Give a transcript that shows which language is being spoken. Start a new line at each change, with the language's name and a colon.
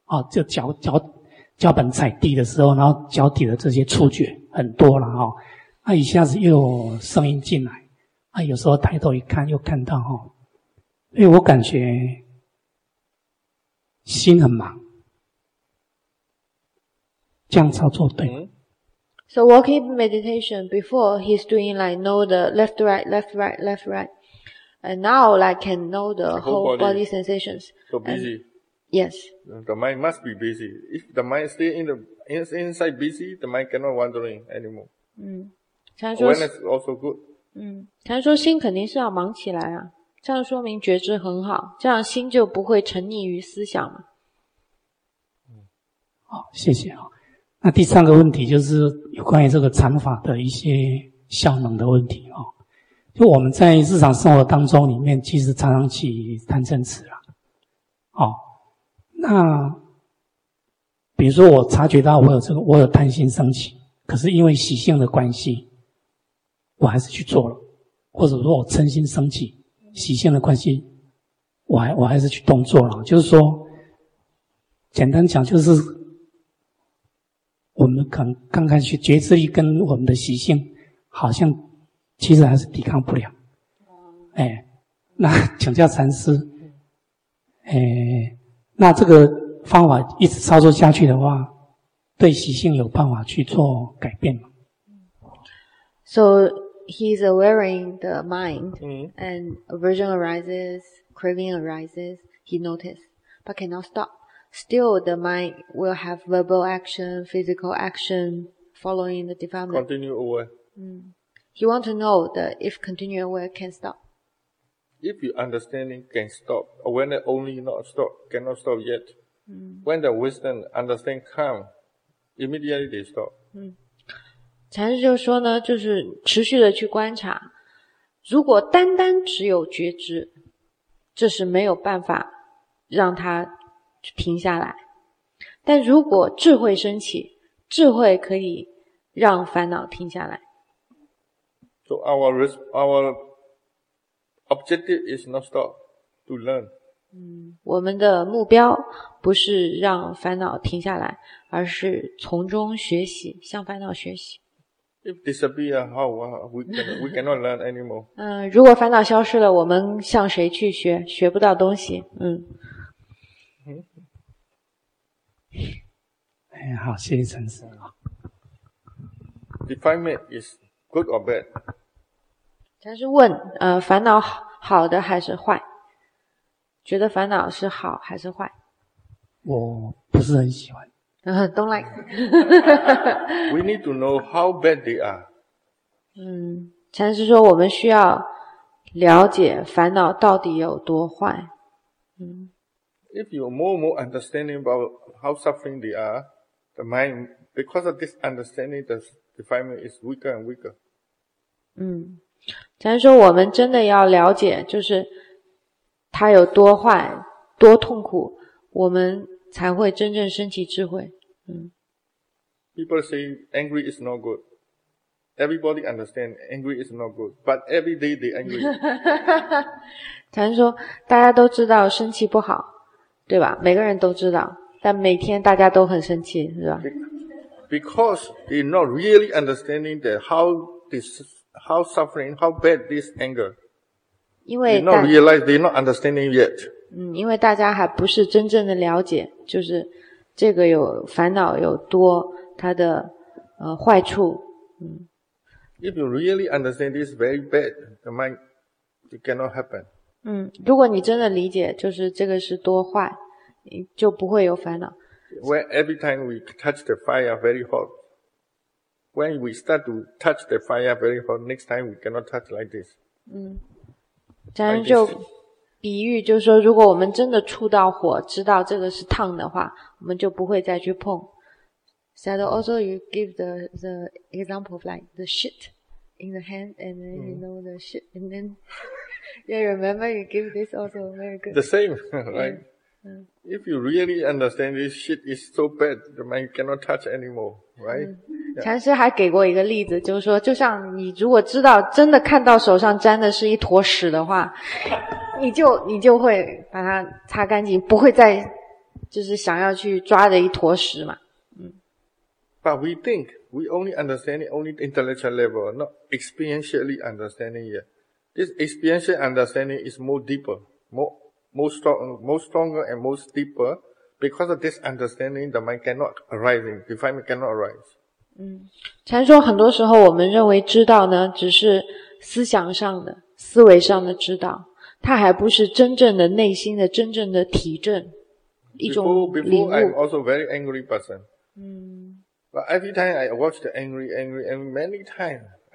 Chinese: 就脚本踩地的时候，然后脚底的这些触觉很多啦。一下子又有声音进来。有时候抬头一看又看到齁。因为我感觉心很忙，这样操作对。
English: So walking meditation before he's doing like know the left right, and now like can know the whole body sensations. So busy. And, yes. The mind must be busy. If the mind stay inside busy, the mind cannot wandering anymore. Awareness is also good.
Chinese: 嗯，他说心肯定是要忙起来啊，这样说明觉知很好，这样心就不会沉溺于思想嘛。好，谢谢啊。那第三个问题就是有关于这个禅法的一些效能的问题啊。就我们在日常生活当中里面，其实常常起贪嗔痴啦。好，那比如说我察觉到我有贪心升起，可是因为习性的关系。我还是去做了，或者说我嗔心升起，习性的关系，我还是去动作了。就是说，简单讲，就是我们可能刚开始觉知力跟我们的习性，好像其实还是抵抗不了。哎，那请教禅师，哎，那这个方法一直操作下去的话，对习性有办法去做改变吗
English: ？So. He's awareing the mind, and aversion arises, craving arises, he noticed, but cannot stop. Still, the mind will have verbal action, physical action, following the defilement. Continue aware. He wants to know that if continue aware can stop. If your understanding can stop, awareness only not stop, cannot stop yet. When the wisdom understand come, immediately they stop.
Chinese: 禅师就说呢，就是持续的去观察，如果单单只有觉知，这是没有办法让它停下来。但如果智慧升起，智慧可以让烦恼停下来。
English: So our objective is not stop, to learn.
Chinese: 嗯，我们的目标不是让烦恼停下来，而是从中学习，向烦恼学习。
English: If disappear, how we cannot learn anymore.
Chinese: 嗯，如果烦恼消失了，我们向谁去学？学不到东西。嗯。哎，好，谢谢陈师啊。
English: Defilement is good or bad?
Chinese: 陈师问，烦恼好的还是坏？觉得烦恼是好还是坏？我不是很喜欢。
English: Don't like. We need to know how bad they are.
Chinese: 嗯，禅师说我们需要了解烦恼到底有多坏。嗯。
English: If you more understanding about how suffering they are, the mind, because of this understanding, the defilement is weaker and weaker.
Chinese: 嗯，禅师说我们真的要了解，就是它有多坏、多痛苦，我们。才会真正升起智慧。嗯。
English: People say angry is not good. Everybody understand angry is not good, but every day they angry.
Chinese: 禅师说，大家都知道生气不好，对吧？每个人都知道，但每天大家都很生气，是吧
English: ？Because they not really understanding that how suffering, how bad this anger.
Chinese: 因为
English: they not realize they not understanding yet.
Chinese: 嗯，因为大家还不是真正的了解，就是这个有烦恼有多，它的坏处。嗯。
English: If you really understand this very bad, the mind, it cannot happen.
Chinese: 嗯，如果你真的理解，就是这个是多坏，就不会有烦恼。
English: When every time we touch the fire very hot, when we start to touch the fire very hot, next time we cannot touch like this.
Chinese: 嗯，假如就。
English: Like this.
Chinese: 比喻就是说，如果我们真的触到火，知道这个是烫的话，我们就不会再去碰。
English: Sayadaw, also you give the example of like the shit in the hand, and then you know the shit, and then yeah, remember you give this also very good. The same, right? If you really understand this shit is so bad, the mind cannot touch anymore, right?
Chinese: 禅师还给过一个例子，就是说，就像你如果知道真的看到手上沾的是一坨屎的话。你就会把它擦干净，不会再就是想要去抓着一坨屎嘛。嗯。
English: But we think we only understand it only intellectual level, not experientially understanding yet. This experiential understanding is more deeper, more stronger and more deeper. Because of this understanding, the mind cannot arise, defilement cannot arise.
Chinese: 嗯，禅说很多时候我们认为知道呢，只是思想上的、思维上的知道。它还不是真正的内心的真正的体证，一种领悟。
English: Before I'm also very angry person.
Chinese: 嗯。
English: But every time I watch the angry, many times,